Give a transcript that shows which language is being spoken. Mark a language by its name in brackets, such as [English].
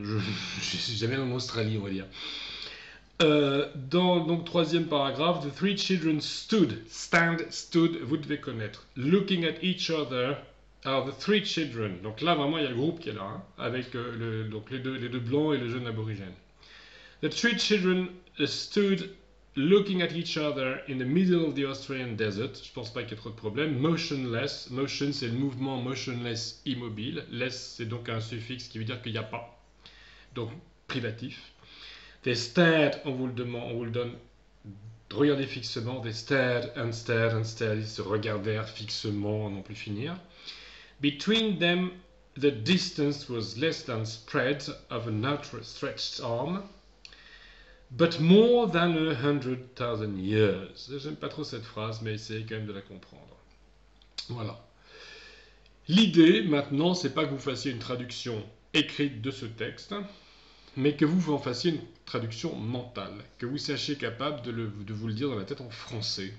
[French] Je ne suis jamais en Australie, on va dire. Donc, troisième paragraphe. [English] The three children stood. [French] Vous devez connaître. [English] Looking at each other. Alors, the three children. [French] Donc là, vraiment, il y a le groupe qui est là, hein, avec donc les deux blancs et le jeune aborigène. [English] The three children stood looking at each other in the middle of the Australian desert. [French] Je pense pas qu'il y ait trop de problèmes. Motionless. Motion, c'est le mouvement. Motionless, immobile. Less, c'est donc un suffixe qui veut dire qu'il n'y a pas. Donc, privatif. They stared, on vous le donne. Regardez fixement, [English] they stared and stared [French] and stared, ils se regardèrent fixement à n'en plus finir. [English] Between them, the distance was less than spread of an outstretched arm, but more than 100,000 years. [French] J'aime pas trop cette phrase, mais essayez quand même de la comprendre. Voilà. L'idée maintenant, c'est pas que vous fassiez une traduction écrite de ce texte, mais que vous en fassiez une traduction mentale, que vous sachiez capable de vous le dire dans la tête en français.